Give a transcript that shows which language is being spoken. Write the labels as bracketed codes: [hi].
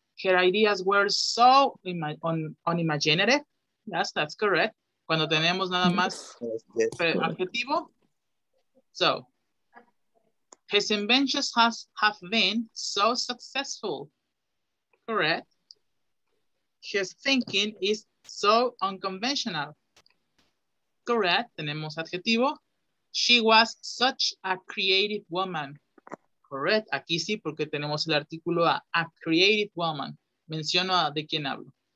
[en] Her ideas were so unimaginative. Yes, that's correct. [es] Cuando tenemos nada más adjetivo. [en] So. His inventions have been so successful. Correct. His thinking is so unconventional. Correct. [es] Tenemos adjetivo. [en] She was such a creative woman. Correct. [es] Aquí sí, porque tenemos el artículo [en] a creative woman. [es] Menciono a de quién hablo.